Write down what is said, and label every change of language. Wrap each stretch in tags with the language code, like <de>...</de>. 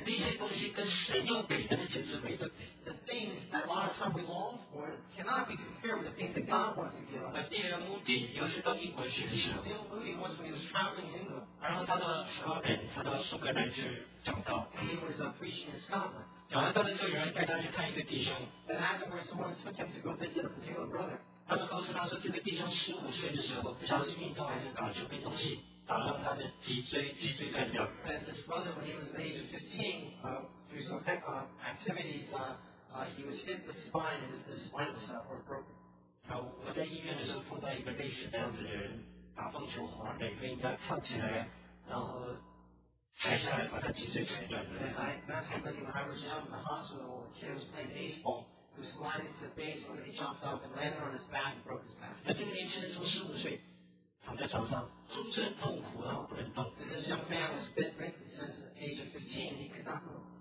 <en>These things that a lot of times we long for cannot be compared with the things that God wants to give us. D.L. Moody, once when he was traveling in England, and he was preaching in Scotland.</en> <zh>讲完道的时候有人带他去看一个弟兄</zh> <en>And afterwards someone took him to go visit a particular brother.</en> <zh>他们告诉他说这个弟兄 15岁的时候 不晓得是运动还是打球被东西打到他的脊椎断掉</zh> <en>And this brother when he was the age of 15 through some heck activities he was hit with spine and his spine was broken.</en> <zh>我在医院的时候碰到一个类似这样子的人 打棒球滑垒被人家跳起来</zh> <en>That's somebody when I was young in the hospital, a kid was playing baseball, he was sliding to the base, and he jumped up and landed on his back and broke his back. This young man was bedridden since the age of 15, he could not move.</en>